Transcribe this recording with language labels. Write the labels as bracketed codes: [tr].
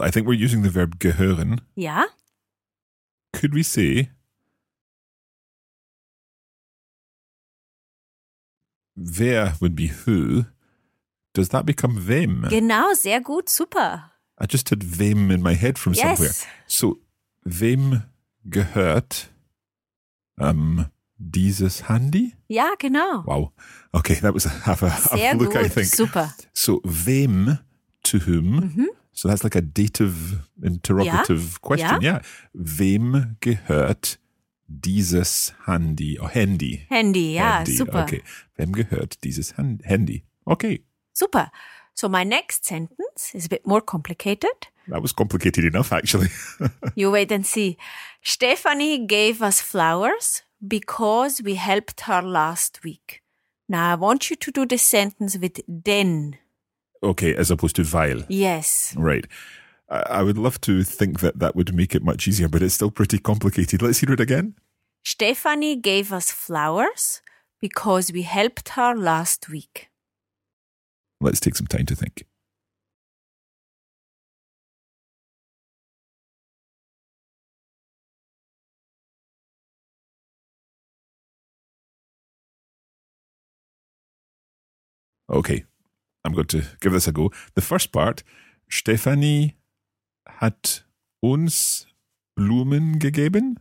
[en] I think we're using the verb gehören. Yeah. Could we say, wer would be who? Does that become wem? [de] Genau, sehr gut, super. [en] I just had wem in my head from somewhere. [de] So, wem gehört dieses Handy? Yeah, genau. [en] Wow. Okay, that was a look, [de] gut. [en] I think. Super. So, wem. To whom? So that's like a dative interrogative question. Yeah. [de] Wem gehört dieses Handy? Handy. [en] Handy, yeah, handy. Super. Okay. [de] Wem gehört dieses Handy? [en] Okay. Super. So my next sentence is a bit more complicated. That was complicated enough, actually. You wait and see. Stephanie gave us flowers because we helped her last week. Now I want you to do the sentence with den. Okay, as opposed to vile. Yes. Right. I would love to think that that would make it much easier, but it's still pretty complicated. Let's hear it again. Stephanie gave us flowers because we helped her last week. Let's take some time to think. Okay. I'm going to give this a go. The first part, [de] Stephanie hat uns Blumen gegeben.